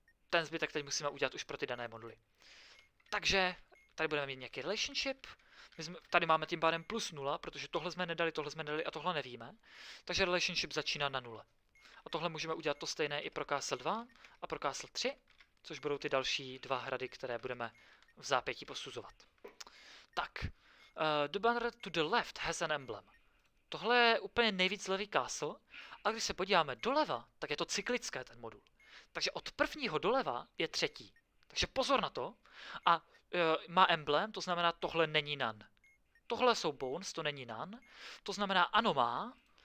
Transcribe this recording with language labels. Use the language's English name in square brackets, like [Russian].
[Czech] Ten zbytek teď musíme udělat už pro ty dané moduly. Takže tady budeme mít nějaký relationship. My jsme, tady máme tím pádem plus 0, protože tohle jsme nedali a tohle nevíme. Takže relationship začíná na 0. A tohle můžeme udělat to stejné i pro castle 2 a pro castle 3, což budou ty další dva hrady, které budeme v zápětí posuzovat. [English] Tak, the banner to the left has an emblem. [Czech] Tohle je úplně nejvíc levý castle, a když se podíváme doleva, tak je to cyklické ten modul. Takže od prvního doleva je třetí. Takže pozor na to a má emblem, to znamená, tohle není nan. Tohle jsou bones, to není nan. To znamená, ano má.